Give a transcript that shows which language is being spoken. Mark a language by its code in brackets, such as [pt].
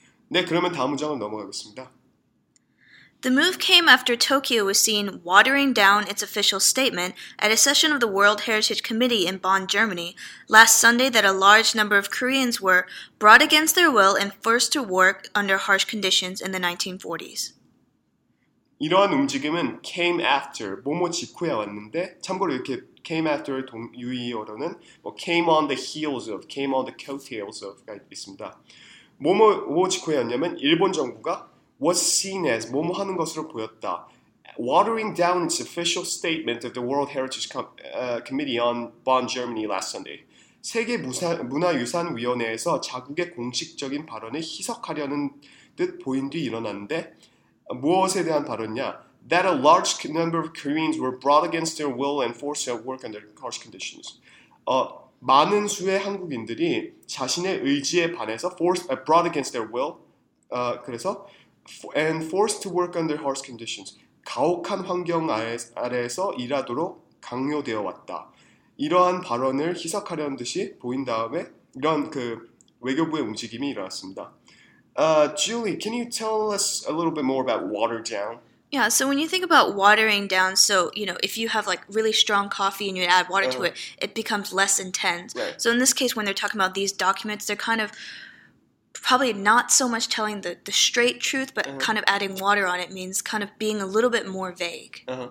[ko] 네, 그러면 다음 문장으로 넘어가겠습니다. [en] The move came after Tokyo was seen watering down its official statement at a session of the World Heritage Committee in Bonn, Germany, last Sunday that a large number of Koreans were brought against their will and forced to work under harsh conditions in the 1940s. [ko] 이러한 움직임은 [en] came after, [ko] 뭐뭐 직후에 왔는데, 참고로 이렇게 came after 유의어로는 뭐 [en] came on the coattails of [ko] 가 있습니다. 뭐뭐 직후였냐면 일본 정부가 [en] was seen as [ko] 뭐뭐 하는 것으로 보였다. [en] Watering down its official statement of the World Heritage Committee on Bonn, Germany last Sunday. [ko] 세계 문화유산위원회에서 자국의 공식적인 발언을 희석하려는 듯 보인 뒤 일어났는데 무엇에 대한 발언이냐? [en] That a large number of Koreans were brought against their will and forced to work under harsh conditions. [ko] 많은 수의 한국인들이 자신의 의지에 반해서 [en] brought against their will, [ko] 그래서 [en] and forced to work under harsh conditions. [ko] 가혹한 환경 아래에서 일하도록 강요되어 왔다. 이러한 발언을 희석하려는 듯이 보인 다음에 이런 그 외교부의 움직임이 일어났습니다. [en] Julie, can you tell us a little bit more about water down? Yeah, so when you think about watering down, so, you know, if you have like really strong coffee and you add water to it, it becomes less intense. Right. So in this case, when they're talking about these documents, they're kind of probably not so much telling the straight truth, but kind of adding water on it means kind of being a little bit more vague.